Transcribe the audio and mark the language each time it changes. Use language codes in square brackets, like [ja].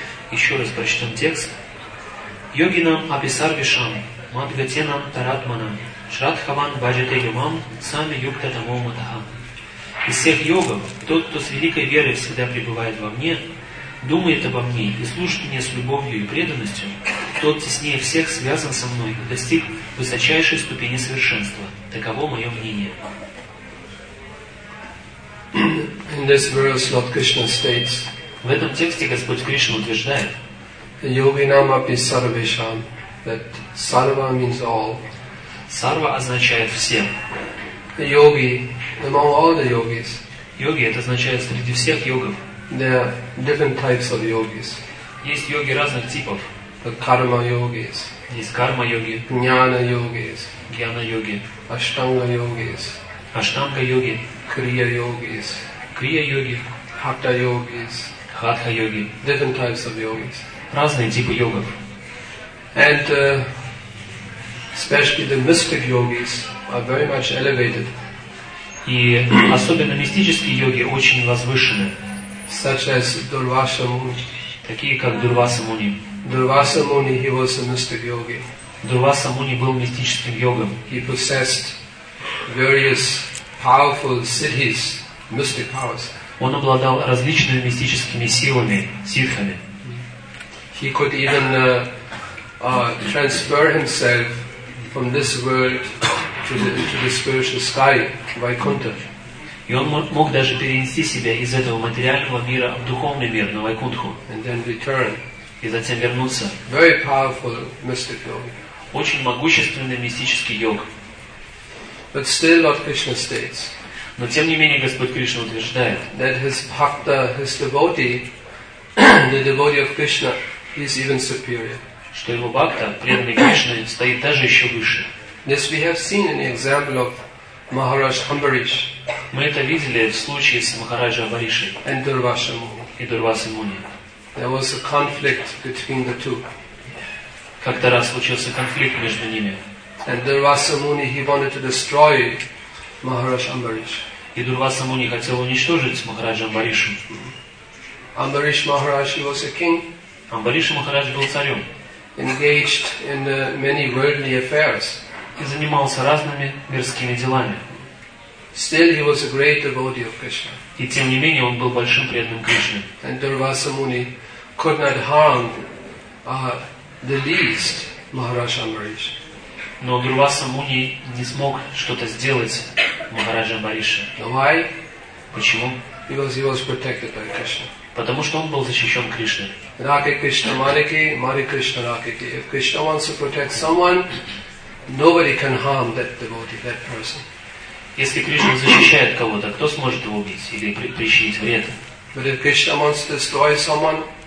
[ru] Еще раз прочтем текст. [sa] Йогинам Аписарвишам, Мадгатенам Таратманам, Шрадхаван Баджате Йомам, Сами Юкта Тамо Матахам. [ru] Из всех йогов, тот, кто с великой верой всегда пребывает во мне, думает обо мне и служит мне с любовью и преданностью, тот теснее всех связан со мной и достиг высочайшей ступени совершенства. Таково мое мнение. [en] In this verse, Lord Krishna states, [ru] в этом тексте Господь Кришна утверждает, [sa] Йогинам апи сарвешам, [en] that sarva means all. [ru] Сарва означает всем. [en] Йоги, among all the yogis. [ru] Йоги, это означает среди всех йогов. [en] There are different types of yogis. [ru] Есть йоги разных типов. [en] The karma yogis. [ru] Есть карма йоги. [en] Jnana yogis. [ru] Jnana йоги. [en] Ashtanga yogis. [ru] Ashtanga йоги. [en] Kriya yogis. [ru] Kriya йоги. [en] Hatha yogis. [ru] Hatha йоги. [en] Different types of yogis. [ru] Разные типы йогов. [en] And especially the mystic yogis are very much elevated. [ru] И особенно мистические йоги очень возвышены. [en] Such as Durvasa Muni. [ru] Такие как Дурваса Муни. [en] Durvasa Muni, he was a mystic yogi. [ru] Durvasa Muni был мистическим йогом. [en] He possessed various powerful cities, mystic powers. [ru] Он обладал различными мистическими силами, ситхами. [en] He could even transfer himself from this world to the spiritual sky, Vaikuntha. [ru] И он мог даже перенести себя из этого материального мира в духовный мир, на Вайкунтху. [en] And then return. [ru] И затем вернуться. [en] Very powerful mystic yogi. [ru] Очень могущественный мистический йог. [en] But still Lord Krishna states, [ru] но тем не менее Господь Кришна утверждает, [en] that his bhakta, his devotee, the devotee of Krishna, is even superior. [ru] Что его бхакта, преданный Кришне, стоит даже еще выше. [en] This we have seen in the example of Maharaj Hambarish. [ru] Мы это видели в случае с Махараджа Амбариши и Дурвасой Муни. [en] There was a conflict between the two. [ru] Как-то раз случился конфликт между ними. [en] And Durvasa Muni, he wanted to destroy Maharaj Ambarish. [ru] И Дурваса Муни хотел уничтожить Махараджа Амбаришу. [en] Амбариш Махарадж, he was a king. [ru] Амбариш Махарадж был царем. [en] Engaged in many worldly affairs. [ru] И занимался разными мирскими делами. [en] Still, he was a great devotee of Krishna. [ru] И тем не менее он был большим преданным Кришне. [en] And Durvasa Muni could not harm the least Maharaj Amarish. [ru] Но Дурваса Муни не смог что-то сделать Махараджа Амбариша. [en] Why? [ru] Почему? [en] Because he was protected by Krishna. [ru] Потому что он был защищен Кришной. [bn] Раке Кришна Малики, Мари Кришна Ракеки. [en] If Krishna wants to protect someone, nobody can harm that devotee, that person. [ru] Если Кришна защищает кого-то, кто сможет его убить или причинить вред? [en] But if Krishna wants to destroy someone,